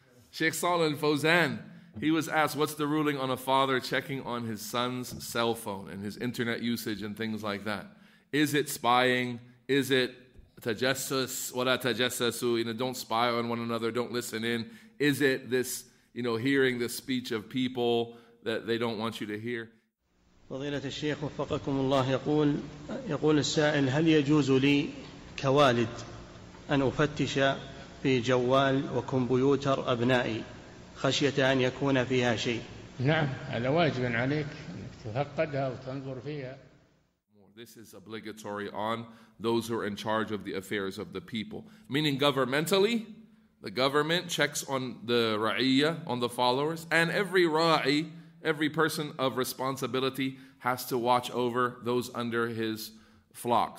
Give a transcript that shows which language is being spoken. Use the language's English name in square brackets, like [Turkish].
[English] Sheikh Saleh al-Fawzan, he was asked, what's the ruling on a father checking on his son's cell phone and his internet usage and things like that? Is it spying? Is it tajassus? [Arabic] Wala tajassasu, [English] you know, don't spy on one another, don't listen in. Is it this, you know, hearing the speech of people that they don't want you to hear? [Arabic] فضيلة الشيخ وفقكم الله يقول السائل هل يجوز لي كوالد أن أفتش في جوال وكمبيوتر أبنائي خشية أن يكون فيها شيء؟ نعم هذا واجب عليك أنك تفقدها وتنظر فيها. [English] This is obligatory on those who are in charge of the affairs of the people. Meaning governmentally, the government checks on the ra'iyya, on the followers, and every ra'i, every person of responsibility has to watch over those under his flock.